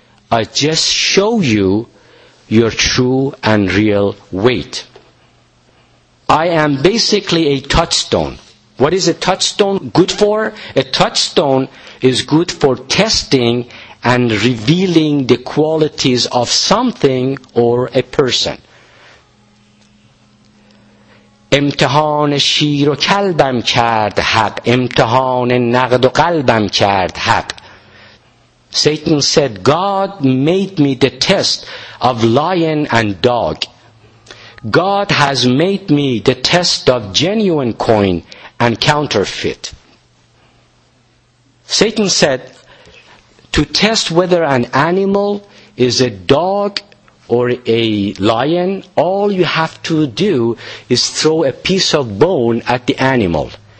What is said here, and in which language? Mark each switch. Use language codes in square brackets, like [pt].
[en] I just show you your true and real weight. I am basically a touchstone. What is a touchstone good for? A touchstone is good for testing and revealing the qualities of something or a person. [fa] امتحان شیر و کلبم کرد حق امتحان نقد و قلبم کرد حق. [en] Satan said, God made me the test of lion and dog. God has made me the test of genuine coin and counterfeit. Satan said, to test whether an animal is a dog or a lion, all you have to do is throw a piece of bone at the animal.